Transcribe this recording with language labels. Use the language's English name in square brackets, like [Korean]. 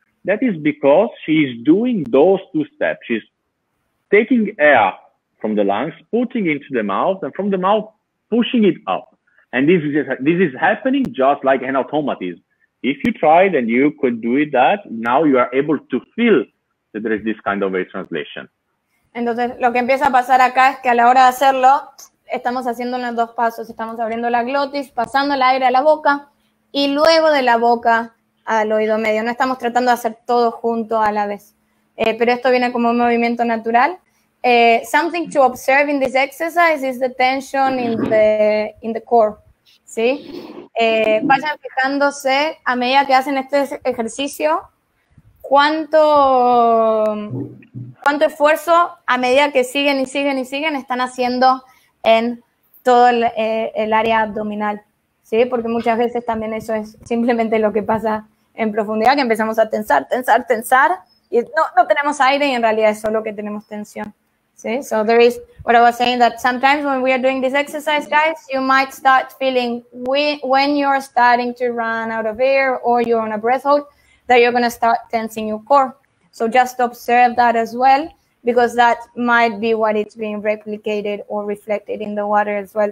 [English] That is because she is doing those two steps. She's taking air from the lungs, putting into the mouth, and from the mouth, pushing it up. And this is happening just like an automatism. If you try, then you could do it that. Now you are able to feel that there is this kind of a translation. [Spanish] Entonces, lo que empieza a pasar acá es que a la hora de hacerlo, estamos haciendo los dos pasos. Estamos abriendo la glotis, pasando el aire a la boca, y luego de la boca al oído medio. No estamos tratando de hacer todo junto a la vez. [English] Pero esto viene como un movimiento natural. Something to observe in this exercise is the tension in the core, ¿sí? [Spanish] Vayan fijándose a medida que hacen este ejercicio, cuánto esfuerzo a medida que siguen están haciendo en todo el área abdominal, ¿sí? Porque muchas veces también eso es simplemente lo que pasa en profundidad, que empezamos a tensar, y no tenemos aire y en realidad es solo que tenemos tensión. [English] See, so there is what I was saying, that sometimes when we are doing this exercise, guys, you might start feeling when you're starting to run out of air or you're on a breath hold, that you're going to start tensing your core. So just observe that as well. because that might be what it's being replicated or reflected in the water as well.